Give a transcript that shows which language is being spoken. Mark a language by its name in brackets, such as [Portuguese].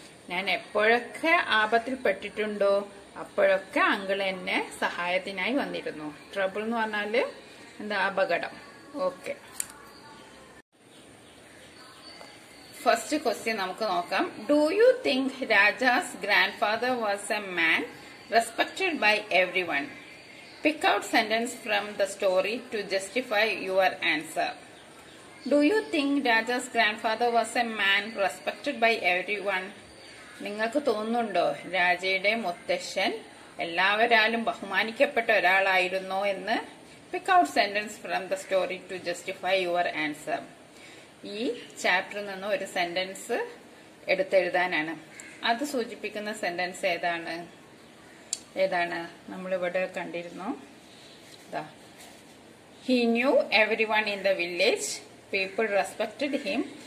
[Malayalam] ഞാൻ എപ്പോഴൊക്കെ ആപത്തിൽപ്പെട്ടിട്ടുണ്ടോ അപ്പോഴൊക്കെ അങ്കിൾ എന്നെ സഹായത്തിനായി വന്നിരുന്നു. ട്രബിൾ എന്ന് പറഞ്ഞാൽ എന്താ, അപകടം. ഓക്കെ, ഫസ്റ്റ് ക്വസ്റ്റ്യൻ നമുക്ക് നോക്കാം. [English] Do you think Raja's grandfather was a man respected by everyone? Pick out sentence from the story to justify your answer. Do you think Raja's grandfather was a man respected by everyone? [Malayalam] നിങ്ങൾക്ക് തോന്നുന്നുണ്ടോ രാജയുടെ മുത്തശ്ശൻ എല്ലാവരാലും ബഹുമാനിക്കപ്പെട്ട ഒരാളായിരുന്നു എന്ന്? [English] Pick out sentence from the story to justify your answer. [Malayalam] ഈ ചാപ്റ്ററിൽ നിന്ന് ഒരു സെന്റൻസ് എടുത്തെഴുതാനാണ്. അത് സൂചിപ്പിക്കുന്ന സെന്റൻസ് ഏതാണ്? ഏതാണ് നമ്മളിവിടെ കണ്ടിരുന്നു? [English] He knew everyone in the village. People respected him.